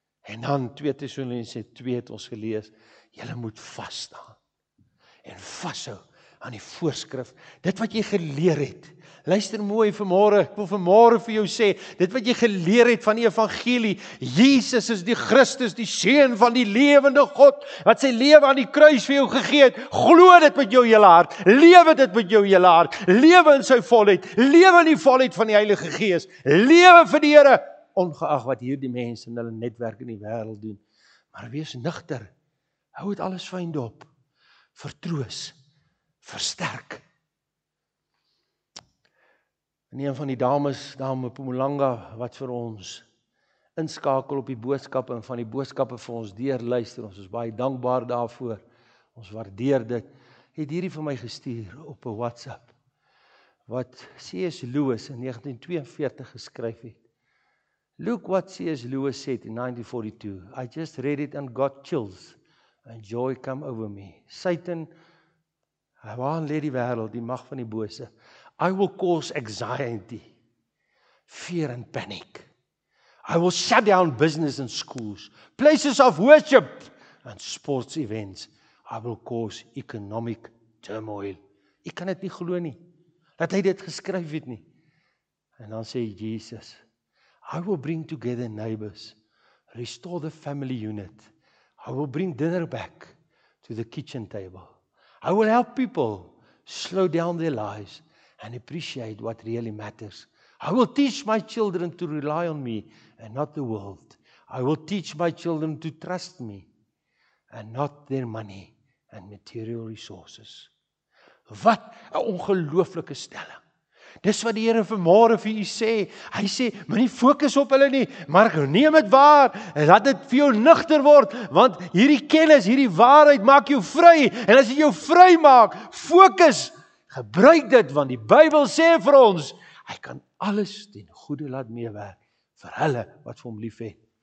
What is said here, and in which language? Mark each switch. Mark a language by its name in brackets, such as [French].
[Afrikaans] En dan 2 Tessalonisense 2 het ons gelees, julle moet vasstaan en vashou aan die voorskrif. Dit wat jy geleer het, luister mooi vanmôre, ek wil vanmôre vir jou sê, dit wat jy geleer het van die evangelie, Jesus is die Christus, die Seun van die lewende God, wat sy lewe aan die kruis vir jou gegee het, glo dit met jou hele hart, lewe dit met jou hele hart, lewe in sy volheid, lewe in die volheid van die Heilige Gees, lewe vir die Here, ongeag wat hierdie mense in hulle netwerk in die wêreld doen, maar wees nugter, hou dit alles fyn dop, vertroos, versterk. En een van die dames, dame Pumulanga, wat vir ons inskakel op die boodskappe en van die boodskappe vir ons deurluister, ons is baie dankbaar daarvoor, ons waardeer dit, het hierdie vir my gestuur op 'n WhatsApp, wat C.S. Lewis in 1942 geskryf het. [English] Look what C.S. Lewis said in 1942, I just read it and got chills, and joy come over me. [Afrikaans] Satan, waarin lê die wêreld, die mag van die bose, [English] I will cause anxiety, fear and panic. I will shut down business and schools, places of worship and sports events. I will cause economic turmoil. [Afrikaans] Ek kan dit nie glo nie, dat hy dit geskryf het nie. En dan sê Jesus, [English] I will bring together neighbors, restore the family unit. I will bring dinner back to the kitchen table. I will help people slow down their lives and appreciate what really matters. I will teach my children to rely on me and not the world. I will teach my children to trust me and not their money and material resources. [Afrikaans] Wat 'n ongelooflike stelling. Dis wat die Here vanmôre vir u sê. Hy sê, moenie fokus op hulle nie, maar neem dit waar. Laat dit vir jou nugter word, want hierdie kennis, hierdie waarheid maak jou vry. En as dit jou vry maak, fokus, gebruik dit, want die Bybel sê vir ons, hy kan alles ten goede laat meewerk vir hulle wat vir hom lief het.